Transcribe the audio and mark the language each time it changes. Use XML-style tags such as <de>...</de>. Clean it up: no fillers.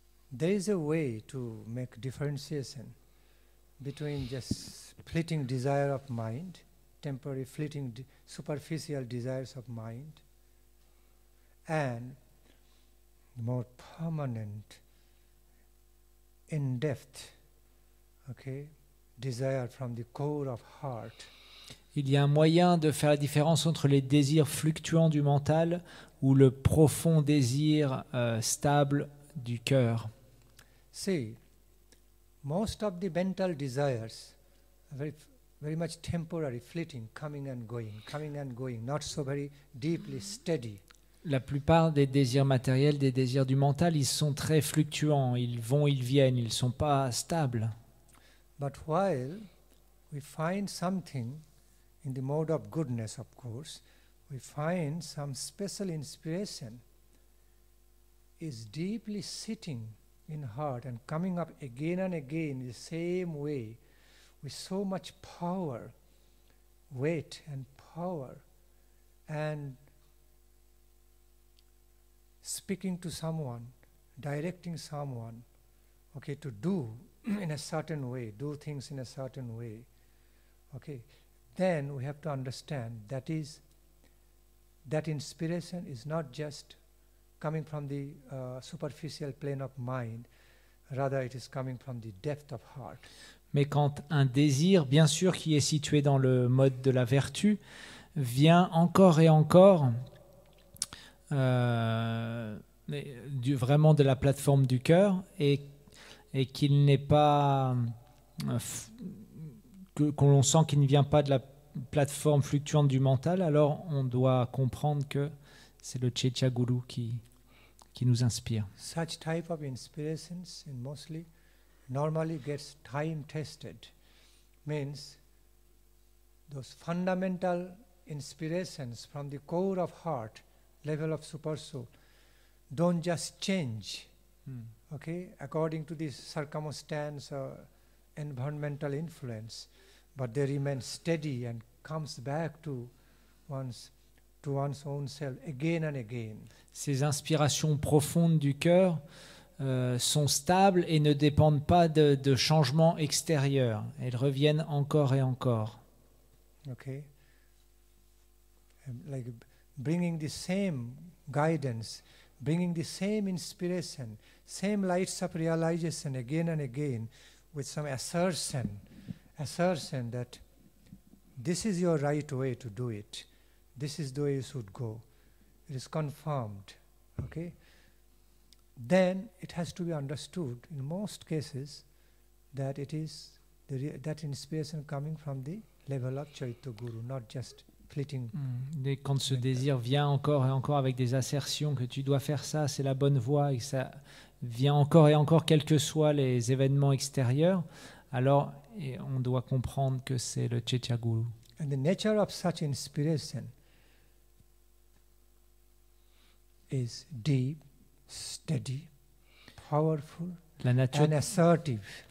<en>There is a way to make differentiation between just fleeting desire of mind, temporary, fleeting, superficial desires of mind, and more permanent, in-depth, okay, desire from the core of heart.</en> <fr>Il y a un moyen de faire la différence entre les désirs fluctuants du mental ou le profond désir stable du cœur.</fr> <en>See, most of the mental desires are very very much temporary, fleeting, coming and going, not so very deeply steady.</en> <fr>La plupart des désirs matériels, des désirs du mental, ils sont très fluctuants, ils vont, ils viennent, ils ne sont pas stables.</fr> <en>But while we find something in the mode of goodness, of course, we find some special inspiration is deeply sitting in heart and coming up again and again the same way, with so much power, weight and power, and speaking to someone, directing someone, okay, to do in a certain way, do things in a certain way, okay, then we have to understand that is, that inspiration is not just coming from the superficial plane of mind, rather it is coming from the depth of heart.</en> <fr>Mais quand un désir, bien sûr, qui est situé dans le mode de la vertu, vient encore et encore vraiment de la plateforme du cœur et qu'il n'est pas, qu'on sent qu'il ne vient pas de la plateforme fluctuante du mental, alors on doit comprendre que c'est le Chaitya Guru qui nous inspire.</fr> <en>Such type of inspirations in mostly normally gets time tested, means those fundamental inspirations from the core of heart, level of super soul, don't just change, okay, according to the circumstance or environmental influence, but they remain steady and comes back to one's own self again and again.</en> <fr>Ces inspirations profondes du cœur sont stables et ne dépendent pas de changements extérieurs. Elles reviennent encore et encore.</fr> <en>Okay. Like bringing the same guidance, bringing the same inspiration, same lights of realization again and again, with some assertion that this is your right way to do it. This is the way you should go. It is confirmed. Okay. Then it has to be understood in most cases that it is that inspiration coming from the level of Chaitya Guru, not just fleeting.</en> <fr>Dès quand ce désir vient encore et encore avec des assertions que tu dois faire ça, c'est la bonne voie, et ça vient encore et encore, quels que soient les événements extérieurs, alors on doit comprendre que c'est le Chaitya Guru.</fr> <en>And the nature of such inspiration is deep, steady, powerful, and assertive.</en>